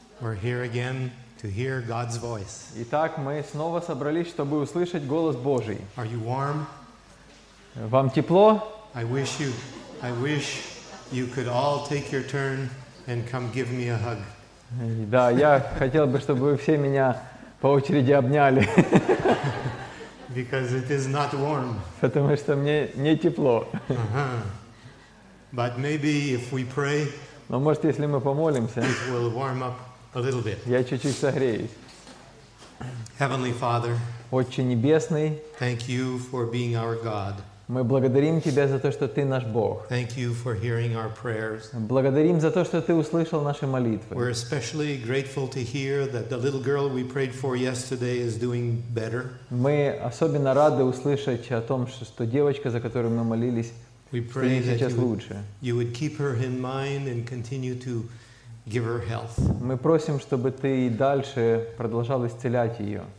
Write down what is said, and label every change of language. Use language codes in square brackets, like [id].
[en] We're here again to hear God's voice. [ru] Итак, мы снова собрались, чтобы услышать голос Божий. [en] Are you warm? [ru] Вам тепло? [en] I wish you could all take your turn and come give me a hug. [ru] Да, я хотел бы, чтобы вы все меня по очереди обняли. [en] Because it is not warm. [ru] Потому что мне не тепло. [en] But maybe if we pray, [ru] но может, если мы помолимся, [en] it will warm up a little bit. [ru] Я чуть-чуть согреюсь. [en] Heavenly Father, [ru] Отче Небесный, [en] thank you for being our God. [ru] Мы благодарим Тебя за то, что Ты наш Бог. [en] Thank you for hearing our prayers. [ru] Благодарим за то, что Ты услышал наши молитвы. [en] We're especially grateful to hear that the little girl we prayed for yesterday is doing better. [ru] Мы особенно рады услышать о том, что девочка, за которую мы молились, [en] we pray [ru] сейчас [en] that [ru] лучше. [en] You would keep her in mind and continue to give her health. [ru] Мы просим, чтобы Ты и дальше продолжал исцелять ее.